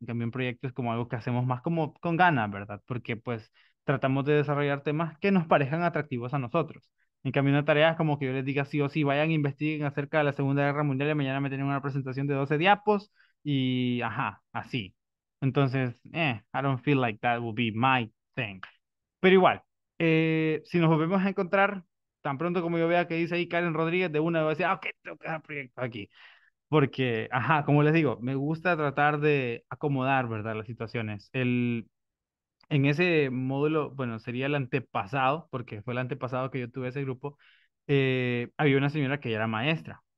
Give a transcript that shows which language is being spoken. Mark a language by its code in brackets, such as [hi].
[es] En cambio, un proyecto es como algo que hacemos más como con ganas, ¿verdad? Porque pues tratamos de desarrollar temas que nos parezcan atractivos a nosotros. En cambio, una tarea es como que yo les diga sí o sí, vayan, investiguen acerca de la Segunda Guerra Mundial y mañana me tienen una presentación de 12 diapos y ajá, así. [en] Entonces, I don't feel like that will be my thing. [es] Pero igual, si nos volvemos a encontrar, tan pronto como yo vea que dice ahí Karen Rodríguez, de una voy a decir, ok, tengo que dar proyecto aquí. Porque, ajá, como les digo, me gusta tratar de acomodar, ¿verdad?, las situaciones. En ese módulo, bueno, sería el antepasado, porque fue el antepasado que yo tuve ese grupo, había una señora que ya era maestra.